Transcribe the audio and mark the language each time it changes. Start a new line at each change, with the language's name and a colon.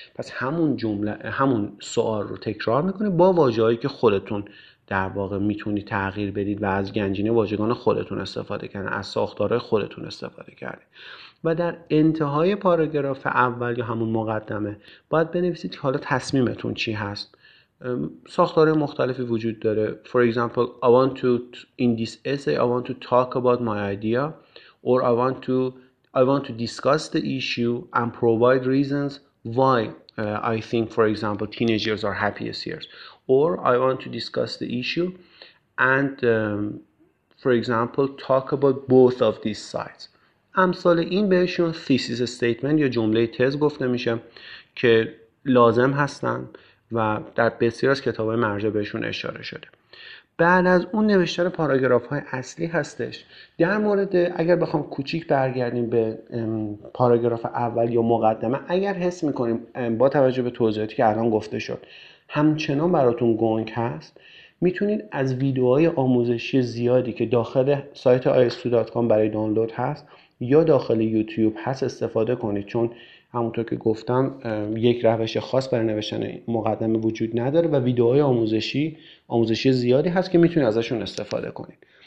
Persian: پس همون جمله، همون سوال رو تکرار میکنید با واژه‌هایی که خودتون در واقع میتونید تغییر بدید و از گنجینه واژگان خودتون استفاده کنید، از ساختارهای خودتون استفاده کنید. و در انتهای پاراگراف اول یا همون مقدمه باید بنویسید که حالا تصمیمتون چی هست. ساختار مختلفی وجود داره.
English: For example, I want to in this essay I want to talk about my idea or I want to discuss the issue and provide reasons why I think for example teenagers are happiest years, or I want to discuss the issue and for example talk about both of these sides.
Persian: امثال این بهشون thesis statement یا جمله تز گفته میشه که لازم هستن و در بسیار از کتاب‌های مرجع بهشون اشاره شده. بعد از اون نوشتن پاراگراف‌های اصلی هستش. در مورد اگر بخوام کوچیک برگردیم به پاراگراف اول یا مقدمه، اگر حس میکنیم با توجه به توضیحاتی که الان گفته شد همچنان براتون گنگ هست، میتونید از ویدیوهای آموزشی زیادی که داخل سایت istudio.com برای دانلود هست یا داخل یوتیوب هست استفاده کنید، چون همونطور که گفتم یک روش خاص برای نوشتن مقدمه وجود نداره و ویدیوهای آموزشی زیادی هست که میتونید ازشون استفاده کنید.